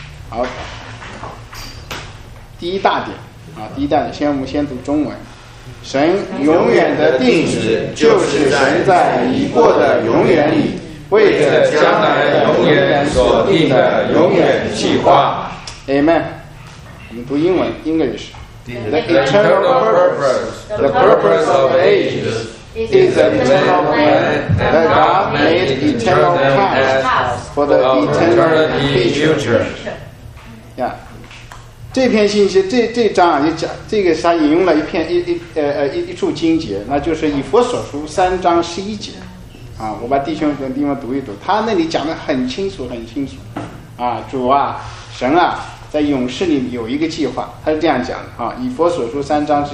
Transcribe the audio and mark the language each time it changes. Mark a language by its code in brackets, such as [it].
[zh] 好，第一大点啊，第一大点，我们先读中文。神永远的定旨就是神在已过的永远里为着将来永远所定的永远计划。 Amen。 我们读英文 English。 [en] The eternal purpose, the purpose of ages is an eternal plan that God made eternal past for the eternity future。 Yeah。 [zh] 这篇信息，这章啊，也讲这个，他引用了一处经节，那就是以弗所书3:11，啊，我把弟兄们地方读一读，他那里讲的很清楚，啊，主啊，神啊，在勇士里有一个计划，他是这样讲的啊，以弗所书3:11，